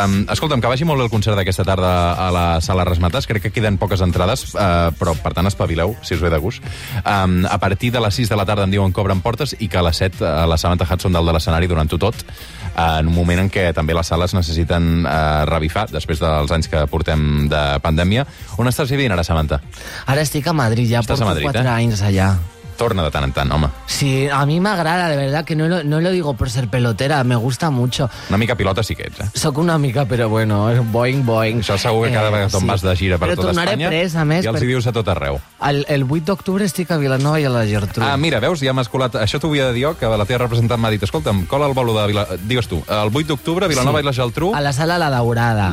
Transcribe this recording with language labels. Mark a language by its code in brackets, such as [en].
[ca] Escolta'm, que vagi molt bé el concert d'aquesta tarda a la sala Resmates. Crec que queden poques entrades, però per tant espavileu, si us ve de gust. A partir de les 6 de la tarda em diuen que obren portes i que a les 7 la Samantha Hudson dalt de l'escenari donant-ho tot, en un moment en què també les sales necessiten revifar, després dels anys que portem de pandèmia. On estàs vivint ara, Samantha? Ara estic a Madrid, ja estàs porto Madrid, 4 eh? Anys allà. Torna de tant en tant, home. [es] Sí, a mi m'agrada, de verdad, que no lo digo por ser pelotera, me gusta mucho. [ca] Una mica pilota sí que ets, eh? Soc una mica, però bueno, boing, boing. Això segur que cada vegada te'n vas de gira per tota Espanya. Però tornaré pres, a més. I els hi dius a tot arreu. El 8 d'octubre estic a Vilanova i a la Gertrú. Ah, mira, veus, ja m'has colat. Això t'ho havia de dir jo, que la teva representant m'ha dit, escolta'm, cola el bolo de Vilanova, digues tu, el 8 d'octubre, Vilanova sí. I la Gertrú. A la sala La Daurada.